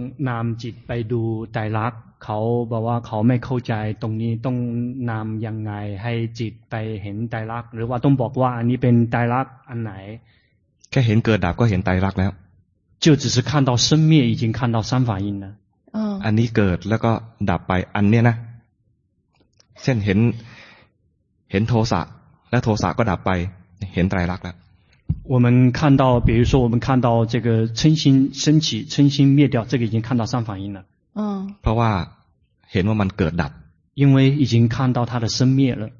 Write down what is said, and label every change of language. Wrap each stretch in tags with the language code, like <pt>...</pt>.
<th>นำจิตไปดูไตรลักษณ์เขาบอกว่าเขาไม่เข้าใจตรงนี้ต้องนำยังไงให้จิตไปเห็นไตรลักษณ์หรือว่าต้องบอกว่าอันนี้เป็นไตรลักษณ์อันไหน แค่เห็นเกิดดับก็เห็นไตรลักษณ์แล้ว</th> <zh>就只是看到生灭已经看到三法印了</zh> <th>อันนี้เกิดแล้วก็ดับไปอันเนี้ยนะเช่นเห็นโทสะแล้วโทสะก็ดับไปเห็นไตรลักษณ์แล้ว</th> <zh>我们看到比如说我们看到这个嗔心升起嗔心灭掉这个已经看到三法印了</zh> <th>เพราะว่าเห็นว่ามันเกิดดับ</th> <zh>因为已经看到它的生灭了</zh>